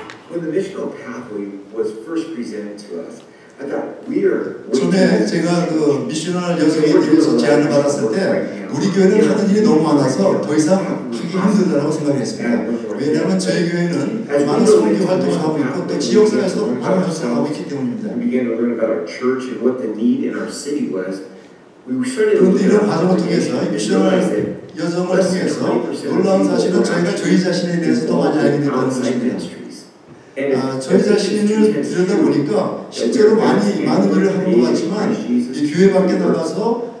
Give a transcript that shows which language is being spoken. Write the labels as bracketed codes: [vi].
[en] When the missional pathway was first presented to us, I thought we are. [ko] 처음에 제가 그 미션을 여성에 대해서 제안을 받았을 때 우리 교회는 하는 일이 너무 많아서 더 이상 하기 힘들다고 생각했습니다. 왜냐하면 저희 교회는 많은 선교 활동을 하고 있고 또 지역사회에서 많은 활동을 하고 있기 때문입니다. [en] We began to learn about our church and what the need in our city was. [ko] 그런데 이런 과정을 통해서 미션을 여성을 통해서 놀라운 사실은 저희가 저희 자신에 대해서 더 많이 알게 되는 것입니다. 저희 자신을 들여다보니까 실제로 많이 많은 일을 하는 것 같지만 이 교회 밖에 나가서